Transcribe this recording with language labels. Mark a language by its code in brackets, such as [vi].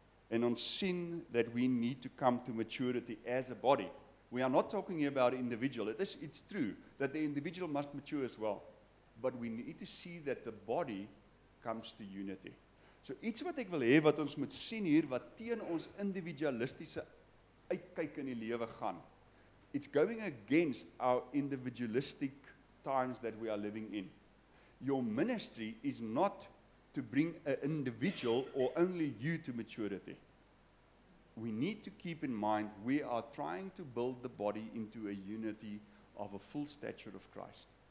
[af] En ons sien [en] that we need to come to maturity as a body. We are not talking about individual. It's true that the individual must mature as well. But we need to see that the body comes to unity. [af] So iets wat ek wil hê wat ons moet sien hier, wat teen ons individualistiese uitkyk in die lewe gaan. [en] It's going against our individualistic times that we are living in. Your ministry is not to bring an individual or only you to maturity. We need to keep in mind we are trying to build the body into a unity of a full stature of Christ.